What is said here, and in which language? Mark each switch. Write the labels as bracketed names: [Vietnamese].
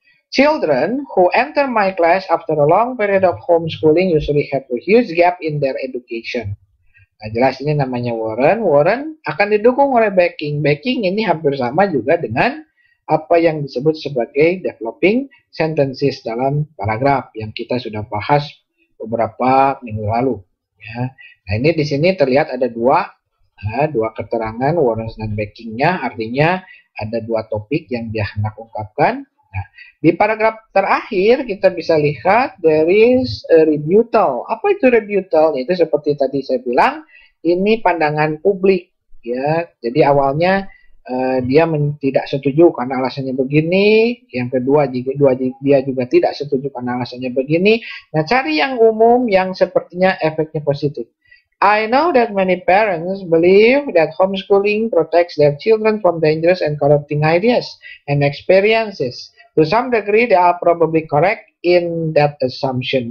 [English] Children who enter my class after a long period of homeschooling usually have a huge gap in their education. [Indonesian] Nah, jelas ini namanya warrant. Warrant akan didukung oleh backing. Backing ini hampir sama juga dengan apa yang disebut sebagai developing sentences dalam paragraf yang kita sudah bahas beberapa minggu lalu. Ya. Nah, ini di sini terlihat ada dua keterangan warrants dan backingnya. Artinya ada dua topik yang dia hendak ungkapkan. Nah, di paragraf terakhir kita bisa lihat [English] there is a rebuttal. [Indonesian] Apa itu rebuttal? Itu seperti tadi saya bilang, ini pandangan publik, ya. Jadi awalnya dia tidak setuju karena alasannya begini. Yang kedua juga dia juga tidak setuju karena alasannya begini. Nah, cari yang umum yang sepertinya efeknya positif. [English] I know that many parents believe that homeschooling protects their children from dangerous and corrupting ideas and experiences. To some degree, they are probably correct in that assumption.